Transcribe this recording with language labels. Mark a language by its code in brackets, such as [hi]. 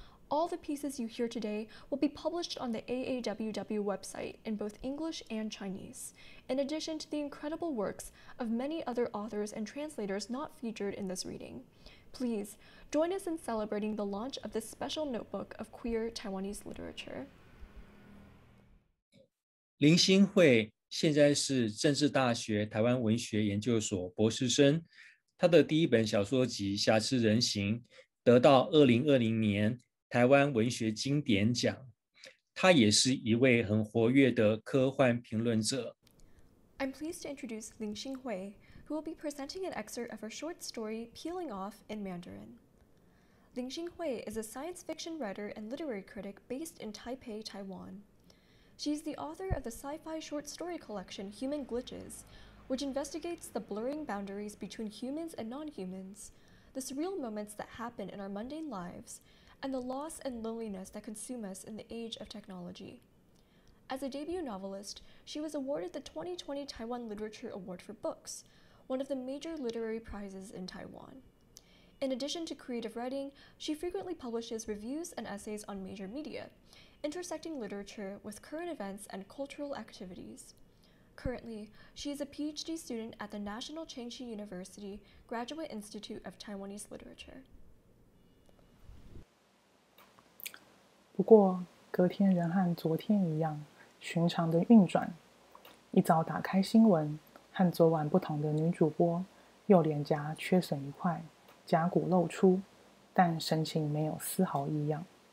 [en] All the pieces you hear today will be published on the AAWW website in both English and Chinese, in addition to the incredible works of many other authors and translators not featured in this reading. Please, join us in celebrating the launch of this special notebook of queer Taiwanese literature. [zh] Lin Xinghui 现在是政治大学台湾文学研究所博士生，他的第一本小说集《瑕疵人形》得到2020年台湾文学经典奖，他也是一位很活跃的科幻评论者。 [en] I'm pleased to introduce Lin Xinghui, who will be presenting an excerpt of her short story Peeling Off in Mandarin. Lin Xinghui is a science fiction writer and literary critic based in Taipei, Taiwan. She's the author of the sci-fi short story collection Human Glitches, which investigates the blurring boundaries between humans and non-humans, the surreal moments that happen in our mundane lives,and the loss and loneliness that consume us in the age of technology. As a debut novelist, she was awarded the 2020 Taiwan Literature Award for Books, one of the major literary prizes in Taiwan. In addition to creative writing, she frequently publishes reviews and essays on major media, intersecting literature with current events and cultural activities. Currently, she is a PhD student at the National Changshi University Graduate Institute of Taiwanese Literature. [zh] 不过，隔天仍和昨天一样，寻常的运转。一早打开新闻，和昨晚不同的女主播，右脸颊缺损一块，颊骨露出，但神情没有丝毫异样。